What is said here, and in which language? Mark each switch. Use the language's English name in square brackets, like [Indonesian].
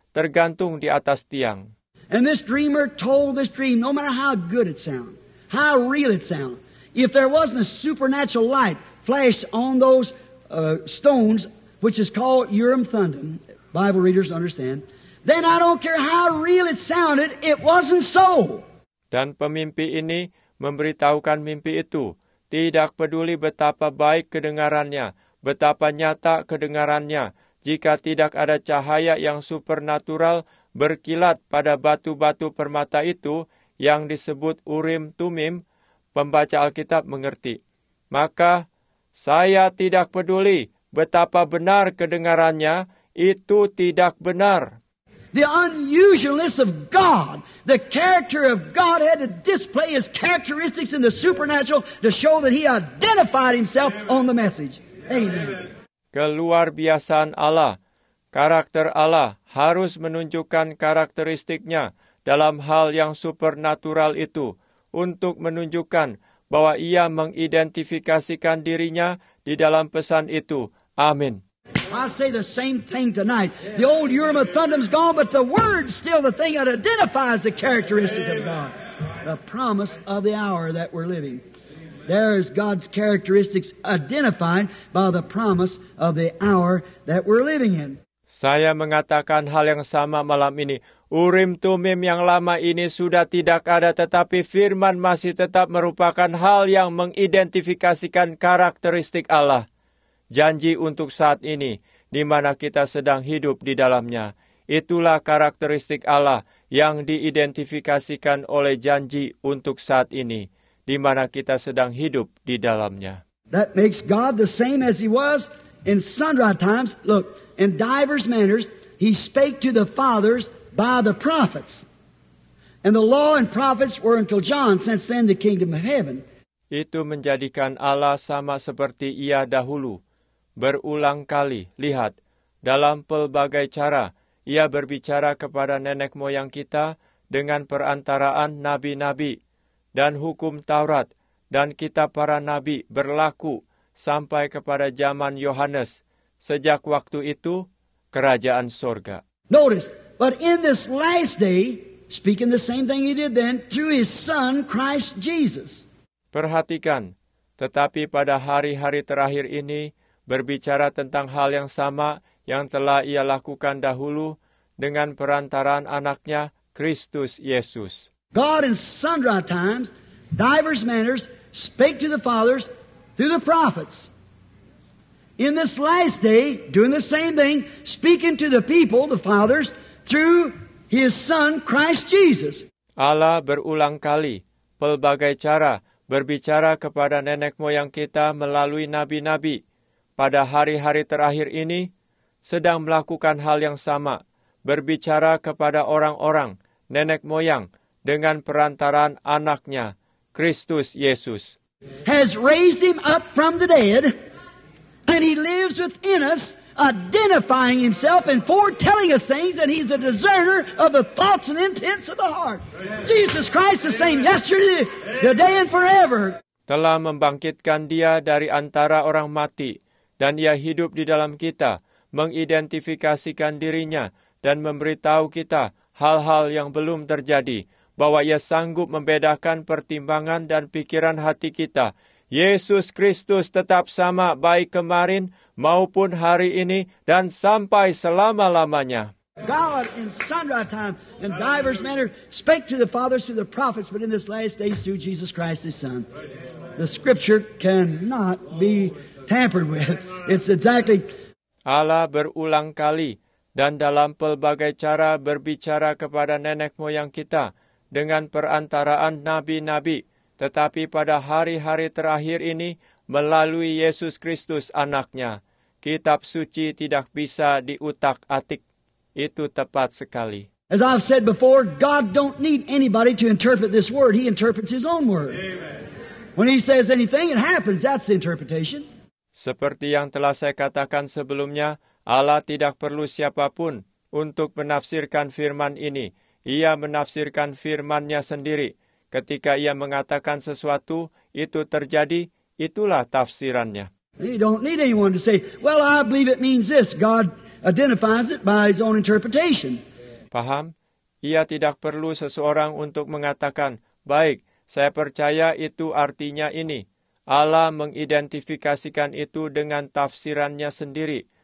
[Indonesian] tergantung di atas tiang. [English] And this dreamer told this dream, no matter how good it sound, how real it sound, if there wasn't a supernatural light flashed on those stones, which is called Urim Thummim, Bible readers understand, then I don't care how real it sounded, it wasn't so. [Indonesian] Dan pemimpi ini memberitahukan mimpi itu, tidak peduli betapa baik kedengarannya, betapa nyata kedengarannya, jika tidak ada cahaya yang supernatural berkilat pada batu-batu permata itu yang disebut Urim Tumim, pembaca Alkitab mengerti. Maka, saya tidak peduli betapa benar kedengarannya, itu tidak benar. [English] The unusualness of God, the character of God had to display His characteristics in the supernatural to show that He identified Himself on the message. Amen. [Indonesian] Keluar biasaan Allah, karakter Allah harus menunjukkan karakteristiknya dalam hal yang supernatural itu untuk menunjukkan bahwa Ia mengidentifikasikan dirinya di dalam pesan itu. Amin. [English] I say the same thing tonight. The old Urim and Thummim's gone, but the word's still the thing that identifies the characteristic of God. The promise of the hour that we're living. There is God's characteristics identified by the promise of the hour that we're living in. [Indonesian] Saya mengatakan hal yang sama malam ini. Urim Tumim yang lama ini sudah tidak ada, tetapi firman masih tetap merupakan hal yang mengidentifikasikan karakteristik Allah. Janji untuk saat ini, di mana kita sedang hidup di dalamnya, itulah karakteristik Allah yang diidentifikasikan oleh janji untuk saat ini, di mana kita sedang hidup di dalamnya. [English] That makes God the same as He was in sundry times. Look, in divers manners, He spake to the fathers by the prophets. And the law and prophets were until John, since then the kingdom of heaven. [Indonesian] Itu menjadikan Allah sama seperti Ia dahulu. Berulang kali, lihat, dalam pelbagai cara, Ia berbicara kepada nenek moyang kita dengan perantaraan nabi-nabi, dan hukum Taurat, dan kitab para nabi berlaku sampai kepada zaman Yohanes. Sejak waktu itu, kerajaan sorga. [English] Notice, but in this last day, speaking the same thing He did then, through His Son, Christ Jesus. [Indonesian] Perhatikan, tetapi pada hari-hari terakhir ini, berbicara tentang hal yang sama yang telah Ia lakukan dahulu dengan perantaraan anaknya, Kristus Yesus. [English] God in sundry times, divers manners, spake to the fathers through the prophets. In this last day, doing the same thing, speaking to the people, the fathers, through His Son, Christ Jesus. [Indonesian] Allah berulang kali, pelbagai cara, berbicara kepada nenek moyang kita melalui nabi-nabi. Pada hari-hari terakhir ini, sedang melakukan hal yang sama, berbicara kepada orang-orang, nenek moyang, dengan perantaraan anaknya, Kristus Yesus. [English] Has raised Him up from the dead, and He lives within us, identifying Himself and foretelling us things, and He's a discerner of the thoughts and intents of the heart. Amen. Jesus Christ the same yesterday, today and forever. [Indonesian] Telah membangkitkan Dia dari antara orang mati, dan Ia hidup di dalam kita, mengidentifikasikan dirinya, dan memberitahu kita hal-hal yang belum terjadi, bahwa Ia sanggup membedakan pertimbangan dan pikiran hati kita. Yesus Kristus tetap sama baik kemarin maupun hari ini dan sampai selama-lamanya. [English] God in sundry time in divers manner spake to the fathers through the prophets, but in this last day through Jesus Christ His Son. The scripture cannot be tampered with. It's exactly. [Indonesian] Allah berulang kali dan dalam pelbagai cara berbicara kepada nenek moyang kita dengan perantaraan nabi-nabi, tetapi pada hari-hari terakhir ini melalui Yesus Kristus anaknya. Kitab suci tidak bisa diutak-atik. Itu tepat sekali. [English] As I've said before, God don't need anybody to interpret this word. He interprets His own word. Amen. When He says anything, it happens. That's the interpretation. [Indonesian] Seperti yang telah saya katakan sebelumnya, Allah tidak perlu siapapun untuk menafsirkan firman ini. Ia menafsirkan firman-Nya sendiri. Ketika Ia mengatakan sesuatu, itu terjadi, itulah tafsirannya. [English] You don't need anyone to say, well, I believe it means this. God identifies it by His own interpretation. [Indonesian] Paham? Ia tidak perlu seseorang untuk mengatakan, baik, saya percaya itu artinya ini. Allah mengidentifikasikan itu dengan tafsirannya sendiri.